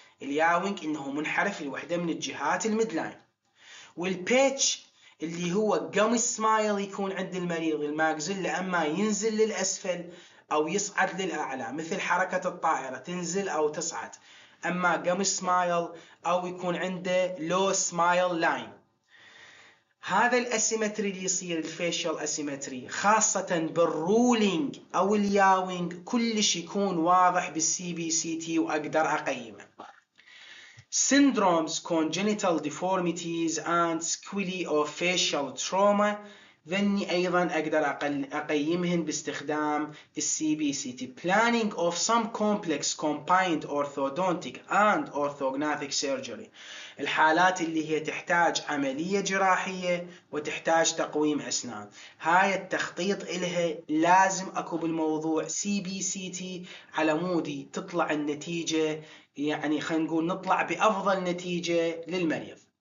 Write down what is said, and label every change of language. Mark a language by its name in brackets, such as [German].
[Arabic] الياوينج انه منحرف لوحدة من الجهات الميد لاين. والبيتش اللي هو جم سمايل يكون عند المريض، الماكزيلا اما ينزل للاسفل او يصعد للاعلى مثل حركة الطائرة تنزل او تصعد، اما جم سمايل او يكون عنده لو سمايل لاين. هذا الاسيمتري اللي يصير الفيشل اسيمتري خاصة بالرولينج او الياوينج كلش يكون واضح بالسي بي سي تي واقدر اقيمه. [English] Syndromes, congenital deformities and squelae of facial trauma [Arabic] ذني أيضا أقدر أقيمهن باستخدام CBCT. [English] Planning of some complex combined orthodontic and orthognathic surgery [Arabic] الحالات اللي هي تحتاج عملية جراحية وتحتاج تقويم أسنان، هاي التخطيط إلها لازم أكو بالموضوع CBCT على مودي تطلع النتيجة، يعني خلينا نقول نطلع بأفضل نتيجة للمريض.